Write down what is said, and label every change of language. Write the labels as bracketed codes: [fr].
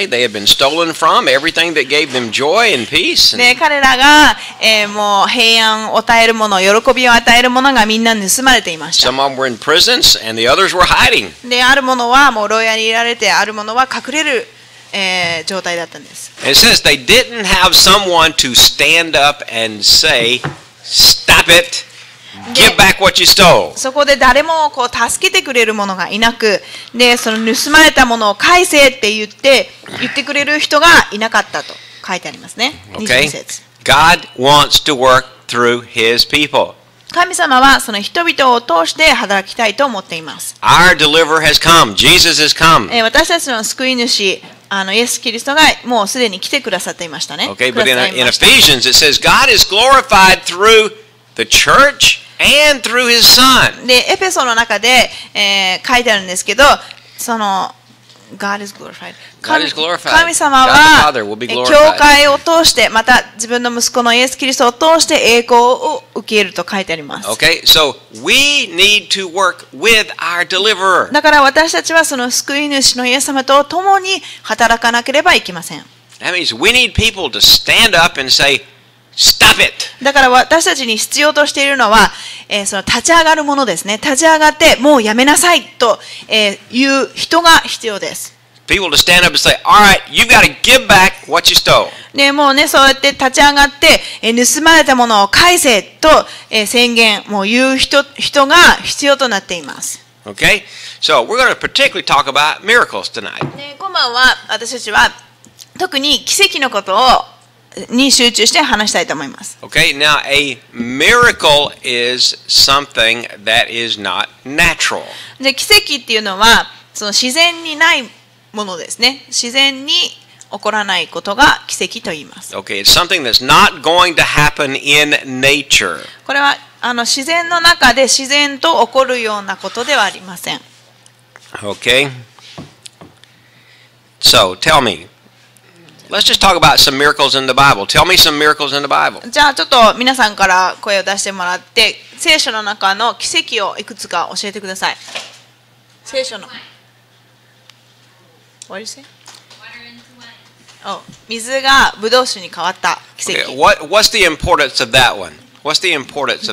[en] Okay, they had been stolen from everything that gave them joy and peace. [ja] で、彼らが、もう平安を与えるもの、喜びを与えるものがみんな盗まれていました。 [en] Some of them were in prisons, and the others were hiding. [ja] で、あるものはもう牢屋にいられて、あるものは隠れる、状態だったんです。 [en] It says they didn't have someone to stand up and say, "Stop it." Give back what you stole. [ja] そこで誰もこう助けてくれる者がいなく、で、その盗まれたものを返せって言ってくれる人がいなかったと書いてありますね。 [en] Okay. God wants to work through His people. [ja] 神様はその人々を通して働きたいと思っています。 [en] Our deliverer has come. Jesus has come. [ja] 私たちの救い主あのイエス・キリストがもうすでに来てくださっていましたね。 [en] Okay, but in Ephesians it says God is glorified throughThe church and through his son. [ja] で、エペソの中で、書いてあるんですけど、その [en] God is glorified. God is glorified. [ja] 神様は [en] God the Father will be glorified. [ja] 教会を通して、また自分の息子のイエス・キリストを通して栄光を受けると書いてあります。 [en] Okay, so we need to work with our deliverer. [ja] だから私たちはその救い主のイエス様と共に働かなければいけません。 [en] That means we need people to stand up and say,Stop it! [ja] だから私たちに必要としているのは、その立ち上がるものですね。立ち上がってもうやめなさいと、言う人が必要です。 [en] People to stand up and say, "All right, you've got to give back what you stole." [ja] ね、もうね、そうやって立ち上がって、盗まれたものを返せと、宣言、もう言う人が必要となっています。 [en] Okay, so we're going to particularly talk about miracles tonight. [ja] ね、今晩は私たちは特に奇跡のことをに集中して話したいと思います。 [en] Okay, now a miracle is something that is not natural. [ja] で、奇跡っていうのはその自然にないものですね。自然に起こらないことが奇跡と言います。 [en] Okay, it's something that's not going to happen in nature. [ja] これはあの自然の中で自然と起こるようなことではありません。 [en] Okay. So, tell me. Let's just talk about some miracles in the Bible. Tell me some miracles in the Bible. [ja] じゃあちょっと皆さんから声を出してもらって、聖書の中の奇跡をいくつか教えてください。聖書の。 [en] What did you say? Oh, [ja] 水がブドウ酒に変わった奇跡。 [en] Okay. What's the importance of that one? What's the importance of that?